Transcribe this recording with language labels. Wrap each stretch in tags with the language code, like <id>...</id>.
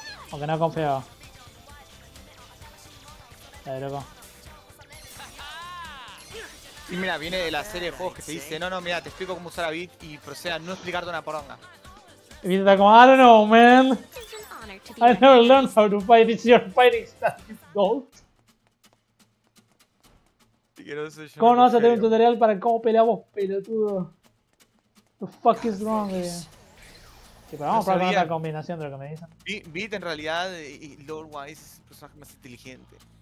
<es>Aunque no confío. Ver, loco. Y mira, viene de la serie de juegos que te dice, no, mira, te explico cómo usar a Beat y proceda a no explicarte una poronga. Y Beat está como,</es> <en>I don't know, man. I never learned how to fight, it's your fighting style, Dolt.</en> <es>¿Cómo no vas a tener un tutorial para cómo peleamos, pelotudo?</es> <en>The fuck is wrong, man.</en> <es>Sí, pero vamos a probar la combinación de lo que me dicen. Beat en realidad, y Lord Wise es el personaje más inteligente.</es>